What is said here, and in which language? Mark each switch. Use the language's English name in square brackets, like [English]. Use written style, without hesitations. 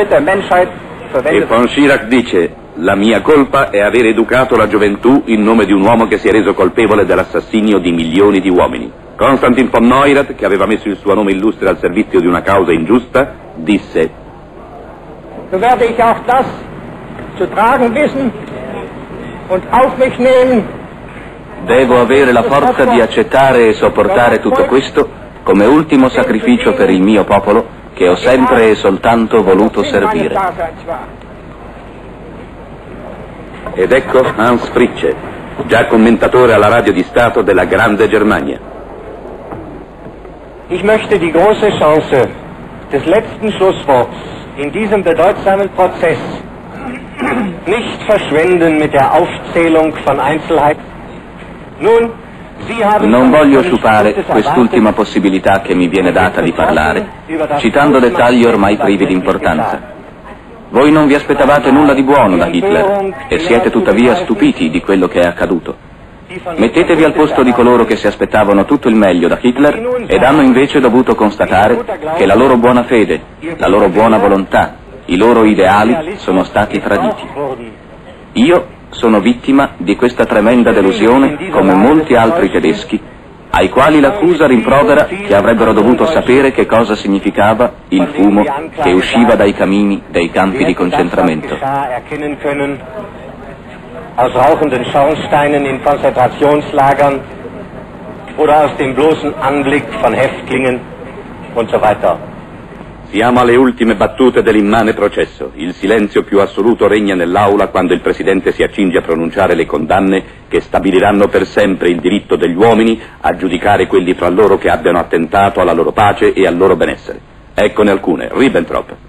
[Italian] E von Schirach dice, la mia colpa è aver educato la gioventù in nome di un uomo che si è reso colpevole dell'assassinio di milioni di uomini. Konstantin von Neurath, che aveva messo il suo nome illustre al servizio di una causa ingiusta, disse, [German] so werde ich auch das zu tragen wissen und auf mich nehmen. [Italian] Devo avere la forza di accettare e sopportare tutto questo come ultimo sacrificio per il mio popolo, che ho sempre e soltanto voluto servire. Ed ecco Hans Fritzsche, già commentatore alla radio di Stato della Grande Germania. [German] Ich möchte die große Chance des letzten Schlussworts in diesem bedeutsamen Prozess nicht verschwenden mit der Aufzählung von Einzelheiten. Nun, [Italian] non voglio sciupare quest'ultima possibilità che mi viene data di parlare, citando dettagli ormai privi di importanza. Voi non vi aspettavate nulla di buono da Hitler e siete tuttavia stupiti di quello che è accaduto. Mettetevi al posto di coloro che si aspettavano tutto il meglio da Hitler ed hanno invece dovuto constatare che la loro buona fede, la loro buona volontà, i loro ideali sono stati traditi. Io sono vittima di questa tremenda delusione come molti altri tedeschi ai quali l'accusa rimprovera che avrebbero dovuto sapere che cosa significava il fumo che usciva dai camini dei campi di concentramento. [German] Aus rauchenden Schornsteinen in Konzentrationslagern, oder aus dem bloßen Anblick von Häftlingen und so weiter. [Italian] Siamo alle ultime battute dell'immane processo. Il silenzio più assoluto regna nell'aula quando il presidente si accinge a pronunciare le condanne che stabiliranno per sempre il diritto degli uomini a giudicare quelli fra loro che abbiano attentato alla loro pace e al loro benessere. Eccone alcune. Ribbentrop.